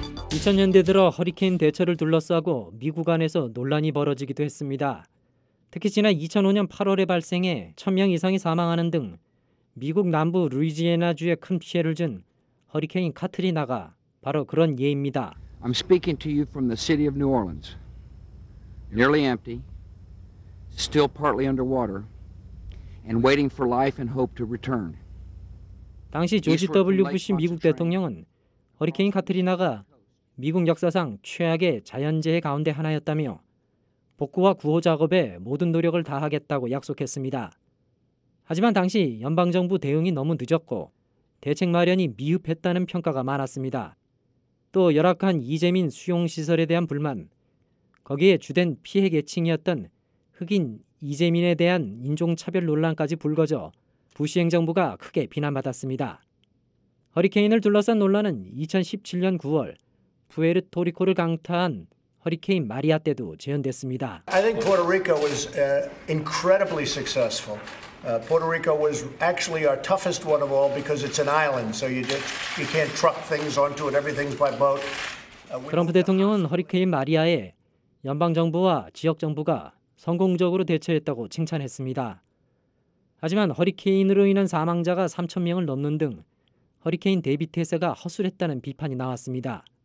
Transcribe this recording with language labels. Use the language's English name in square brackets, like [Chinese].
[Korean] 2000년대 들어 허리케인 대처를 둘러싸고 미국 안에서 논란이 벌어지기도 했습니다. 특히 지난 2005년 8월에 발생해 1,000명 이상이 사망하는 등 미국 남부 루이지애나주에 큰 피해를 준 허리케인 카트리나가 바로 그런 예입니다. [English] I'm speaking to you from the city of New Orleans. Nearly empty, still partly underwater, and waiting for life and hope to return. [Korean] 당시 조지 W. 부시 미국 대통령은 허리케인 카트리나가 미국 역사상 최악의 자연재해 가운데 하나였다며 복구와 구호 작업에 모든 노력을 다하겠다고 약속했습니다. 하지만 당시 연방정부 대응이 너무 늦었고 대책 마련이 미흡했다는 평가가 많았습니다. 또 열악한 이재민 수용시설에 대한 불만, 거기에 주된 피해 계층이었던 흑인 이재민에 대한 인종차별 논란까지 불거져 부시 행정부가 크게 비난받았습니다. 허리케인을 둘러싼 논란은 2017년 9월 푸에르토리코를 강타한 허리케인 마리아 때도 재현됐습니다. [English] I think Puerto Rico was incredibly successful. Puerto Rico was actually our toughest one of all because it's an island, so you can't truck things onto it. Everything's by boat. [Korean] 트럼프 대통령은 허리케인 마리아에 연방 정부와 지역 정부가 성공적으로 대처했다고 칭찬했습니다. 하지만 허리케인으로 인한 사망자가 3천 명을 넘는 등 허리케인 대비 태세가 허술했다는 비판이 나왔습니다.